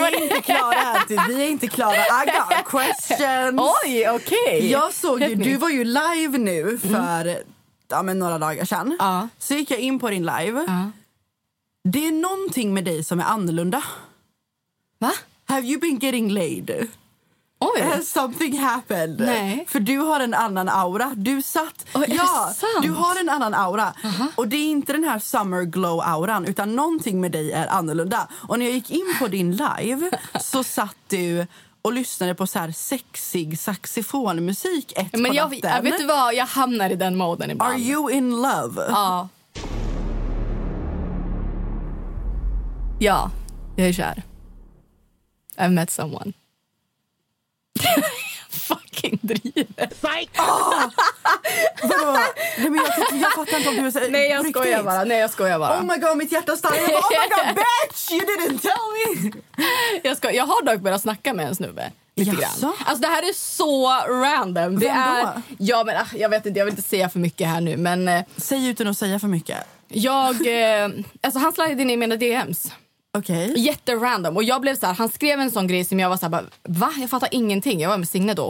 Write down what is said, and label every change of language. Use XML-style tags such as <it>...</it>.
<sv>Nej, Diana, vi är inte klara. Vi är inte klara.</sv> <en>I got questions.</en> <sv>Oj, okej.</sv> <en>Okay.</en> <sv>Jag såg ju, du var ju live nu för några dagar sedan. Så gick jag in på din live. Det är någonting med dig som är annorlunda. Va?</sv> <en>Have you been getting laid?</en> <sv>Oj.</sv> <en>Has something happened?</en> <sv>Nej. För du har en annan aura. Du satt... du har en annan aura. Uh-huh. Och det är inte den här summer glow-auran, utan någonting med dig är annorlunda. Och när jag gick in på din live så satt du och lyssnade på så här sexig saxofonmusik ett men på jag, natten. Jag vet du vad? Jag hamnar i den moden ibland.</sv> <en>Are you in love?</en> <sv>Ja. Ja, jag är kär.</sv> <en>I've met someone. Fucking driver. Psych. Oh!</en> <sv>Vadå? Nej, men jag fattar inte om du är så. Nej, jag skojar bara. Nej, jag skojar bara.</sv> <en>Oh my god,</en> <sv>mitt hjärta stannar.</sv> <en>Oh my god, bitch, you didn't tell me.</en> <sv>Jag har dock börjat snacka med en snubbe lite grann. Alltså det här är så random. Det vem är då? Ja, men jag vet inte. Jag vill inte säga för mycket här nu, men säg utan att säga för mycket. Jag alltså han slide in i mina DMs.</sv> <en>Okay.</en> <sv>Jätterandom. Och jag blev så här, han skrev en sån grej som jag var så här, va? Jag fattar ingenting. Jag var med Signe då.</sv>